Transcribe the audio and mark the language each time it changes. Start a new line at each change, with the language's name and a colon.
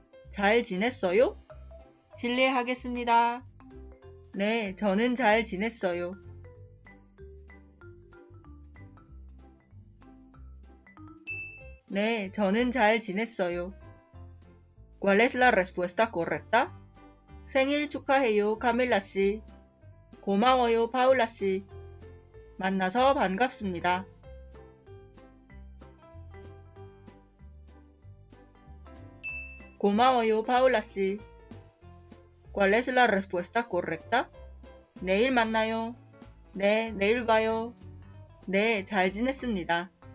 Korean: 잘 지냈어요? 실례하겠습니다. 네, 저는 잘 지냈어요. 네, 저는 잘 지냈어요.
Spanish: ¿Cuál es la respuesta correcta?
Korean: 생일 축하해요, 카밀라 씨. 고마워요, 파울라 씨. 만나서 반갑습니다. 고마워요, 파울라 씨.
Spanish: ¿Cuál es la respuesta correcta?
Korean: 내일 만나요. 네, 내일 봐요. 네, 잘 지냈습니다.